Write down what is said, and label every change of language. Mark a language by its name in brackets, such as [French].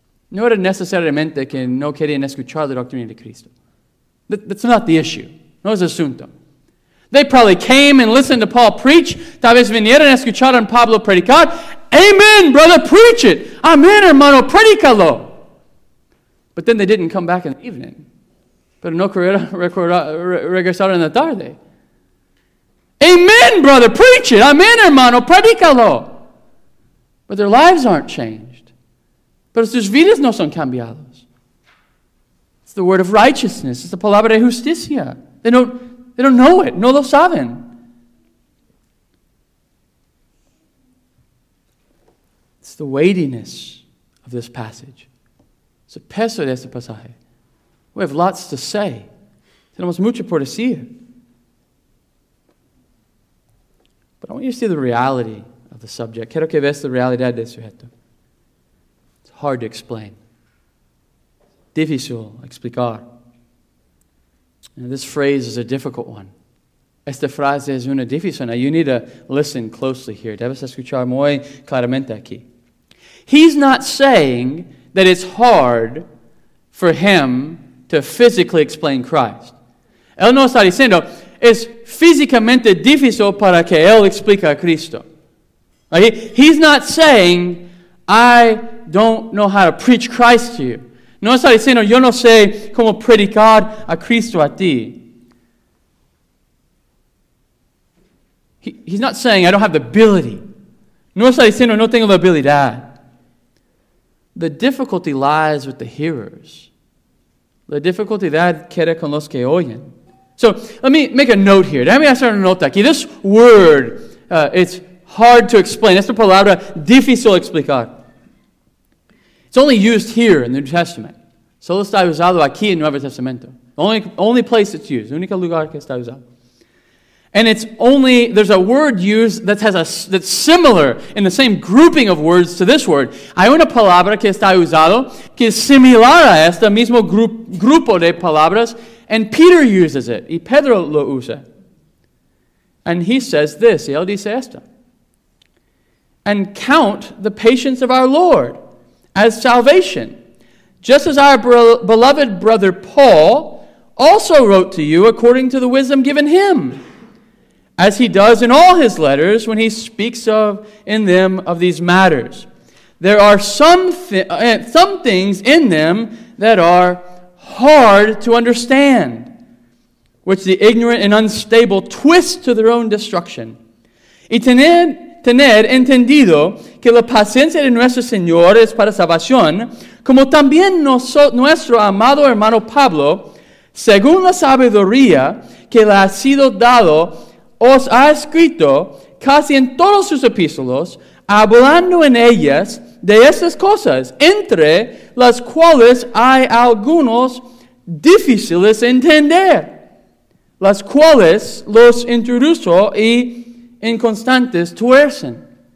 [Spanish] No era necesariamente que no querían escuchar la doctrina de Cristo. [English] That's not the issue. [Spanish] No es asunto. [English] They probably came and listened to Paul preach. [Spanish] Tal vez vinieron a escuchar a Pablo predicar. [English] Amen, brother, preach it. [Spanish] Amen, hermano, predícalo. [English] But then they didn't come back in the evening. [Spanish] Pero no regresaron en la tarde. [English] Amen, brother, preach it. [Spanish] Amen, hermano, predícalo. [English] But their lives aren't changed. [Spanish] Pero sus vidas no son cambiados. [English] It's the word of righteousness. It's the [Spanish] palabra de justicia. [English] They don't know it. [Spanish] No lo saben. [English] It's the weightiness of this passage. It's [Spanish] el peso de este pasaje. [English] We have lots to say. [Spanish] Tenemos mucho por decir. [English] But I want you to see the reality of the subject. [Spanish] Quiero que veas la realidad de sujeto. [English] It's hard to explain. [Spanish] Difícil explicar. [English] And this phrase is a difficult one. [Spanish] Esta frase es una difícil. [English] Now you need to listen closely here. [Spanish] Debes escuchar muy claramente aquí. [English] He's not saying that it's hard for him to physically explain Christ. [Spanish] Él no está diciendo, es físicamente difícil para que él explique a Cristo. [English] Like he's not saying, I don't know how to preach Christ to you. [Spanish] No está diciendo, yo no sé cómo predicar a Cristo a ti. [English] He's not saying, I don't have the ability. [Spanish] No está diciendo, no tengo la habilidad. [English] The difficulty lies with the hearers. [Spanish] La dificultad queda con los que oyen. [English] So, let me make a note here. [Spanish] Déjame hacer una nota aquí. [English] This word, it's hard to explain. [Spanish] Esta palabra, difícil explicar. [English] It's only used here in the New Testament. [Spanish] Solo está usado aquí en Nuevo Testamento. [English] Only place it's used. [Spanish] Único lugar que está usado. [English] And it's only, there's a word used that has that's similar in the same grouping of words to this word. [Spanish] Hay una palabra que está usado que es similar a este mismo grupo de palabras. [English] And Peter uses it. [Spanish] Y Pedro lo usa. [English] And he says this. [Spanish] Y él dice esto. [English] And count the patience of our Lord as salvation. Just as our beloved brother Paul also wrote to you according to the wisdom given him. As he does in all his letters when he speaks of in them of these matters. There are some things in them that are hard to understand, which the ignorant and unstable twist to their own destruction. [Spanish] Y tener entendido que la paciencia de nuestro Señor es para salvación, como también nuestro amado hermano Pablo, según la sabiduría que le ha sido dado, os ha escrito casi en todos sus epístolos, hablando en ellas de estas cosas, entre las cuales hay algunos difíciles de entender, las cuales los introduzco y inconstantes tuercen.